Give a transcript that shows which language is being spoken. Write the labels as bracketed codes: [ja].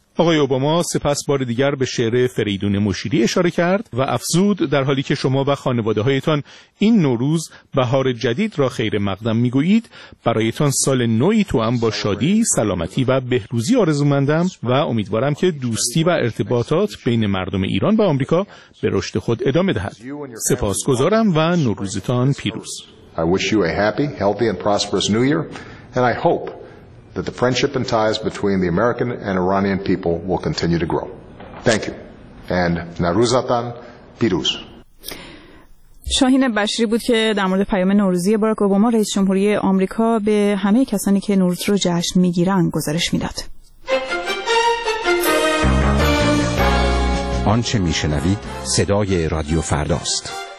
[fa] آقای اوباما سپس بار دیگر به شعر فریدون مشیری اشاره کرد و افزود در حالی که شما و خانواده هایتان این نوروز بهار جدید را خیر مقدم می گویید برایتان سال نوی توام با شادی، سلامتی و بهروزی آرزومندم و امیدوارم که دوستی و ارتباطات بین مردم ایران و آمریکا به رشد خود ادامه دهد. سپاسگزارم و نوروزتان پیروز. [en] I wish you a happy, healthy and prosperous new year and I hope that the friendship and ties between the American and Iranian people will continue to grow. Thank you. And [fa] Naruzatan Piruz. شاهین بشری بود که در مورد پیام نوروزی باراک اوباما رئیس جمهوری آمریکا به همه کسانی که نوروز رو جشن میگیرند گزارش میداد. آنچه میشنوید صدای رادیو فرداست.